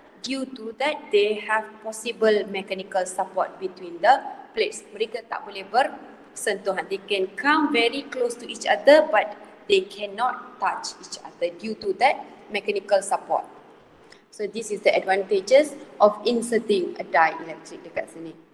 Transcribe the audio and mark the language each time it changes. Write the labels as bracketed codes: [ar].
[en] Due to that, they have possible mechanical support between the plates. [ms] Mereka tak boleh bersentuhan. [en] They can come very close to each other, but they cannot touch each other due to that mechanical support. So this is the advantages of inserting a dielectric [ms] dekat sini.